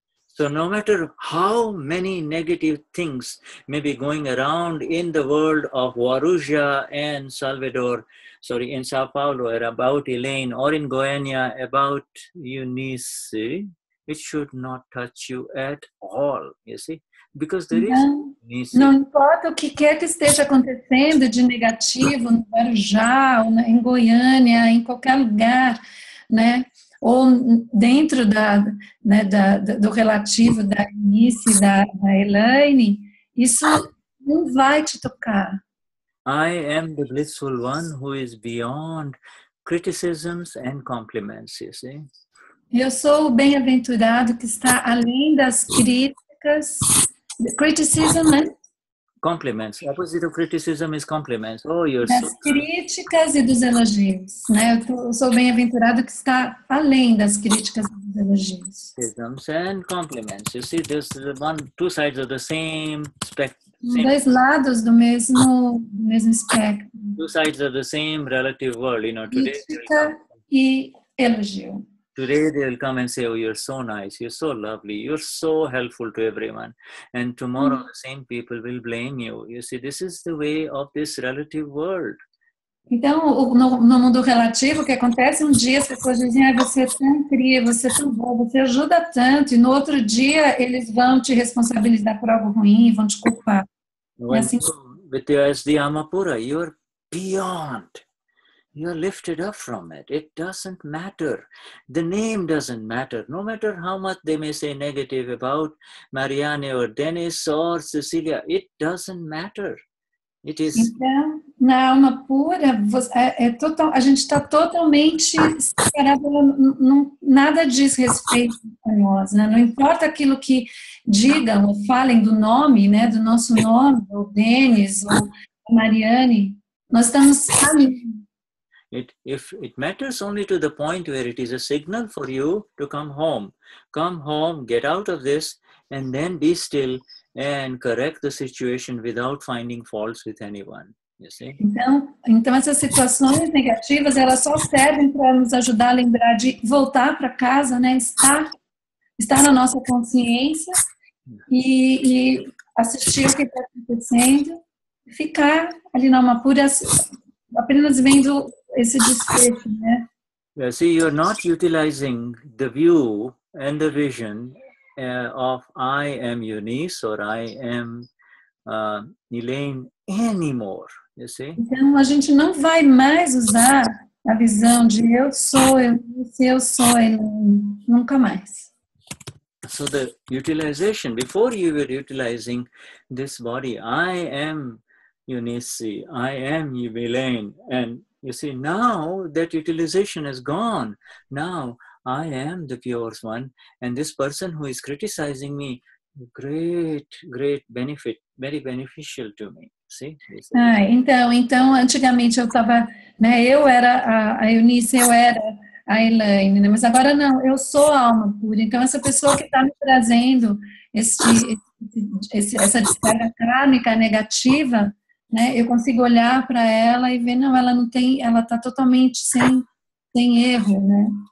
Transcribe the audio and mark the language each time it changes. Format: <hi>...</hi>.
<en>So no matter how many negative things may be going around in the world of Warujá and Salvador, sorry, in São Paulo, or about Elaine, or in Goiânia, about Eunice, it should not touch you at all, you see? Because there is</en> <pt>não importa o que quer que esteja acontecendo de negativo no Guarujá, em Goiânia, em qualquer lugar, né? Ou dentro da, né, do relativo da Eunice, da Elaine, isso não vai te tocar.</pt> <en>I am the blissful one who is beyond criticisms and compliments, you see?</en> <pt>Eu sou o bem-aventurado que está além das críticas.</pt> <en>The criticism, né? Compliments. The opposite of criticism is compliments. Oh, you're</en> <pt>das</pt> <en>so...</en> <pt>Das críticas e dos elogios, né? Eu sou bem-aventurado que está além das críticas e dos elogios.</pt> <en>Criticisms and compliments. You see, there's one, two sides of the same spectrum.</en> <pt>Dois lados do mesmo espectro.</pt> <en>Two sides of the same relative world, you know, today.</en> <pt>Crítica e elogio.</pt> <en>Today they will come and say, oh, you're so nice, you're so lovely, you're so helpful to everyone. And tomorrow the same people will blame you. You see, this is the way of this relative world.</en> <pt>Então, no mundo relativo, o que acontece? Um dia as pessoas dizem, ah, você é tão incrível, você é tão bom, você ajuda tanto. E no outro dia eles vão te responsabilizar por algo ruim, vão te culpar.</pt> <en>With your SD Amapura, you're beyond. You are lifted up from it. It doesn't matter. The name doesn't matter. No matter how much they may say negative about Marianne or Dennis or Cecilia, it doesn't matter. It is.</en> <pt>Então, na alma pura, total, a gente está totalmente separado, nada diz respeito a nós. Né? Não importa aquilo que digam ou falem do nome, né? Do nosso nome, ou Dennis ou Marianne, nós estamos ali.</pt> <en>It matters only to the point where it is a signal for you to come home. Come home, get out of this, and then be still and correct the situation without finding faults with anyone. You see?</en> <pt>Então essas situações negativas, elas só servem para nos ajudar a lembrar de voltar para casa, né? Estar na nossa consciência e assistir o que está acontecendo, ficar ali na alma pura. apenas vendo esse desfecho, né?</pt> <en>Yeah, see, you're not utilizing the view and the vision of I am Eunice or I am Elaine anymore, you see?</en> <pt>Então, a gente não vai mais usar a visão de eu sou Eunice, eu sou Elaine, nunca mais.</pt> <en>So the utilization, before you were utilizing this body, I am Eunice, I am Elaine, and you see, now that utilization is gone. Now I am the pure one, and this person who is criticizing me, great, great benefit, very beneficial to me. See?</en> <pt>Ah, então, antigamente eu estava, né? Eu era a Eunice, eu era a Elaine, né? Mas agora não, eu sou a alma pura. Então essa pessoa que está me trazendo essa descarga kármica negativa, né? Eu consigo olhar para ela e ver, não, ela não tem, ela está totalmente sem erro, né?</pt>